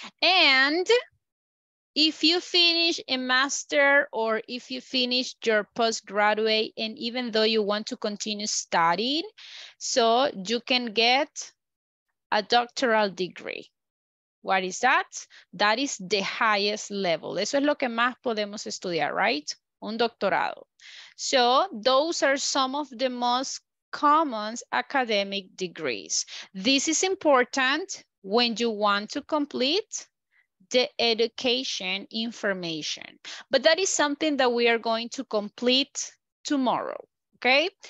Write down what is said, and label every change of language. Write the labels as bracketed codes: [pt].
[en] And if you finish a master or if you finish your postgraduate, and even though you want to continue studying, so you can get a doctoral degree. What is that? That is the highest level. [es] Eso es lo que más podemos estudiar, right? Un doctorado. [en] So those are some of the most common academic degrees. This is important when you want to complete the education information. But that is something that we are going to complete tomorrow, okay?